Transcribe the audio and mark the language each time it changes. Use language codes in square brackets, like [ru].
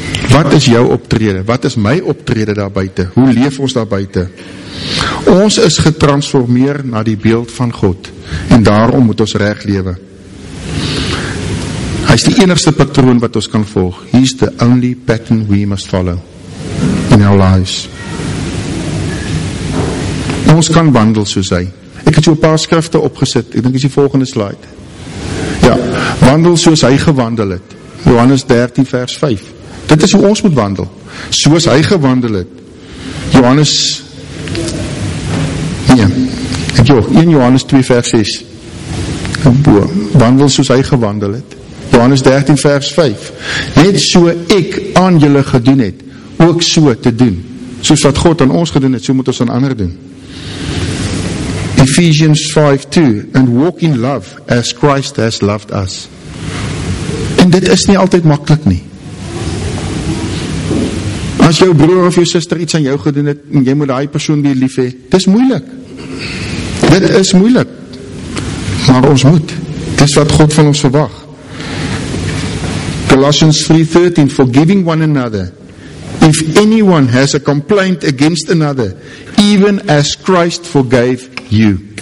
[af] Wat is jou optrede? Wat is my optrede daar buite? Hoe leef ons daar buite? Ons is getransformeer na die beeld van God en daarom moet ons reg lewe. Hy is die enigste patroon wat ons kan volg. [en] He is the only pattern we must follow in our lives. [af] Ons kan wandel soos hy. Ek het jou 'n paar skrifte opgesit. Ek dink dis die volgende slide. Ja, wandel soos hy gewandel het. Johannes 13 vers 5. Dit is hoe ons moet wandel, soos hy gewandel het. Johannes, nee, ek joh, 1 Johannes 2 vers 6, wandel soos hy gewandel het. Johannes 13 vers 5, net so ek aan julle gedoen het, ook so te doen, soos wat God aan ons gedoen het, so moet ons aan ander doen. [en] Ephesians 5 2, and walk in love as Christ has loved us. [af] En dit is nie altyd makkelijk nie. As jou broer of jou sister iets aan jou gedoen het, en jy moet die persoon weer lief hê, dis moeilik. Dit is moeilik. Maar ons moet. Dis wat God van ons verwag. [en] Colossians 3:13, forgiving one another, if anyone has a complaint against another, even as Christ forgave you.